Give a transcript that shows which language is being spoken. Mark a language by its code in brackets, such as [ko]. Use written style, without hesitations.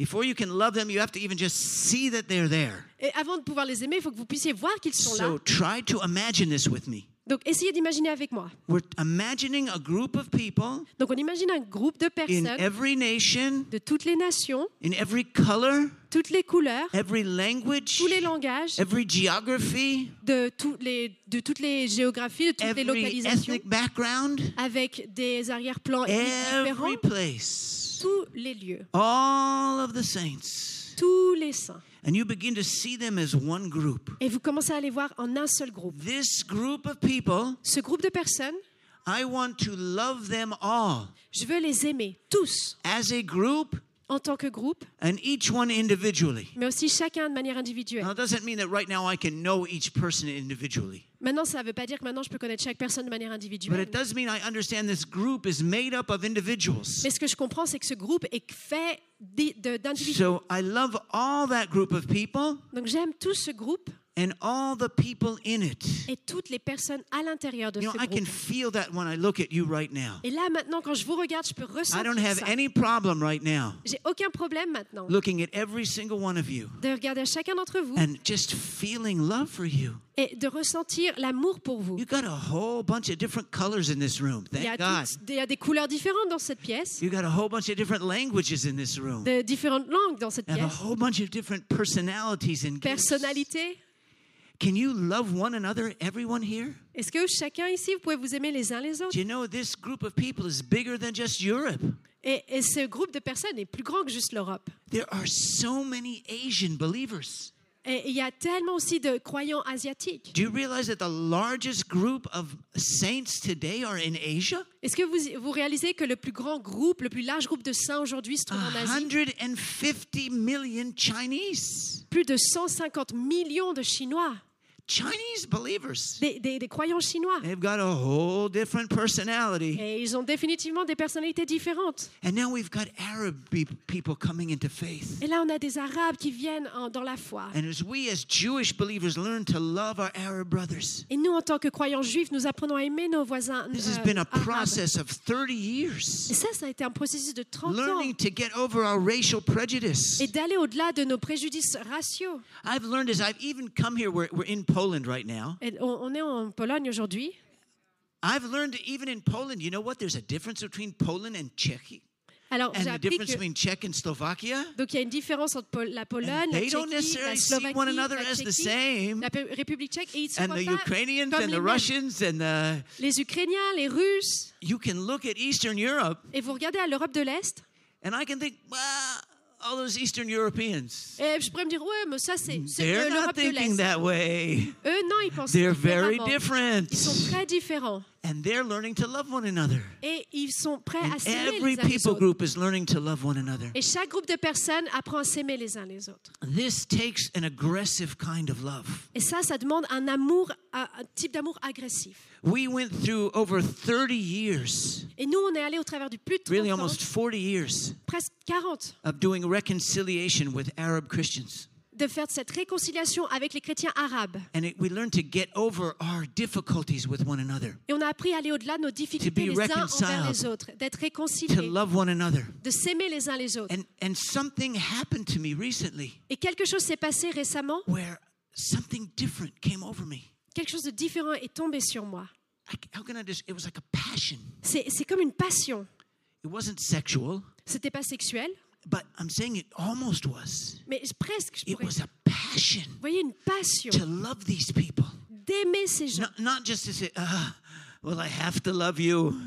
[en] Before you can love them, you have to even just see that they're there. [fr] Et avant de pouvoir les aimer, il faut que vous puissiez voir qu'ils sont là. [en] So try to imagine this with me. [fr] Donc essayez d'imaginer avec moi. [en] We're imagining a group of people. [fr] Donc on imagine un groupe de personnes. [en] In every nation. [fr] De toutes les nations. [en] In every color. [fr] Toutes les couleurs. [en] Every language. [fr] Tous les langages. [en] Every geography. [fr] De toutes les géographies, de toutes [en] every [fr] les localisations. [en] Every ethnic background. [fr] Avec des arrière-plans différents. [en] Every place. [fr] Tous les lieux. [en] All of the saints. [fr] Tous les saints. [en] And you begin to see them as one group. [fr] Et vous commencez à les voir en un seul groupe. [en] This group of people. [fr] Ce groupe de personnes. [en] I want to love them all. [fr] Je veux les aimer tous. [en] As a group. [fr] En tant que groupe. [en] And each one individually. [fr] Mais aussi chacun de manière individuelle. [en] Now, doesn't mean that right now I can know each person individually. [fr] Maintenant, ça ne veut pas dire que maintenant je peux connaître chaque personne de manière individuelle. Mais ce que je comprends, c'est que ce groupe est fait d'individus. [en] So I love all that group of people. [fr] Donc j'aime tout ce groupe. [en] And all the people in it. [fr] Et toutes les personnes à l'intérieur de [en] you know, [fr] ce groupe. [en] I can feel that when I look at you right now. [fr] Et là maintenant quand je vous regarde, je peux ressentir ça. [en] I don't have any problem right now. [fr] J'ai aucun problème maintenant. [en] Looking at every single one of you. [fr] De regarder chacun d'entre vous. [en] And just feeling love for you. [fr] Et de ressentir l'amour pour vous. [en] You got a whole bunch of different colors in this room. Thank God. [fr] Il y a des couleurs différentes dans cette pièce. [en] You got a whole bunch of different languages in this room. [fr] De différentes langues dans cette [en] and [fr] pièce. [en] And a whole bunch of different personalities and gifts. [fr] Personnalités. [en] Can you love one another, everyone here? [fr] Est-ce que chacun ici vous pouvez vous aimer les uns les autres? [en] Do you know this group of people is bigger than just Europe? [fr] Et ce groupe de personnes est plus grand que juste l'Europe. [en] There are so many Asian believers. [fr] Et il y a tellement aussi de croyants asiatiques. [en] Do you realize that the largest group of saints today are in Asia? [fr] Est-ce que vous réalisez que le plus grand groupe, le plus large groupe de saints aujourd'hui se trouve en Asie? [en] 150 million Chinese. [fr] Plus de 150 millions de Chinois. [en] Chinese believers. [fr] Des croyants chinois. [en] They've got a whole different personality. [fr] Et ils ont définitivement des personnalités différentes. [en] And now we've got Arab people coming into faith. [fr] Et là, on a des Arabes qui viennent dans la foi. [en] And as we, as Jewish believers, learn to love our Arab brothers. [fr] Et nous, en tant que croyants juifs, nous apprenons à aimer nos voisins. [en] This has been a process of 30 years. [fr] Et ça a été un processus de 30 ans. [en] Learning to get over our racial prejudice. [fr] Et d'aller au-delà de nos préjugés raciaux. [en] I've learned as I've even come here, we're in Poland right now. [fr] Et on est en Pologne aujourd'hui. [en] I've learned even in Poland, you know what? There's a difference between Poland and Czechia. [fr] Alors, [en] and the difference between Czech and Slovakia. [fr] Donc il y a une différence entre la Pologne, la Tchéquie, la Slovaquie, [en] one another [fr] la Tchéquie, [en] as the same. [fr] La République tchèque et ils se [en] and [fr] voient [en] the Ukrainians and the Russians and the [fr] les Ukrainiens, les Russes. [en] You can look at Eastern Europe. [fr] Et vous regardez à l'Europe de l'Est. [en] And I can think, well, all those Eastern Europeans. [fr] Et je pourrais me dire, ouais, mais ça c'est l'Europe de l'Est. [en] They're not thinking that way. [fr] Eux, non, ils pensent [en] they're very different. [fr] Ils sont très différents. [en] And they're learning to love one another. [fr] Et ils sont prêts [en] and [fr] à s'aimer [en] every [fr] les uns [en] people [fr] les [en] group is learning to love one another. [fr] Et chaque groupe de personnes apprend à s'aimer les uns les autres. [en] This takes an aggressive kind of love. [fr] Et ça demande un amour, un type d'amour agressif. [en] We went through over 30 years. [fr] Et nous on est allé au travers du plus de 30 ans. [en] Really almost 40 years. [fr] Presque 40. [en] Of doing reconciliation with Arab Christians. [fr] de faire cette réconciliation avec les chrétiens arabes. [en] And we learned to get over our difficulties with one another. [fr] Et on a appris à aller au-delà de nos difficultés les uns envers les autres, d'être réconciliés, [en] to love one another. [fr] De s'aimer les uns les autres. [en] And something happened to me recently. [fr] Et quelque chose s'est passé récemment. [en] Where something different came over me. [fr] Quelque chose de différent est tombé sur moi. [en] How can I just, it was like a passion. [fr] C'est comme une passion. [en] It wasn't sexual. [fr] C'était pas sexuel. [en] But I'm saying it almost was. [fr] Mais presque, je [en] it was a passion. [fr] Vous voyez, une passion. [en] To love these people. [fr] D'aimer ces gens. [en] Not just to say, well, I have to love you.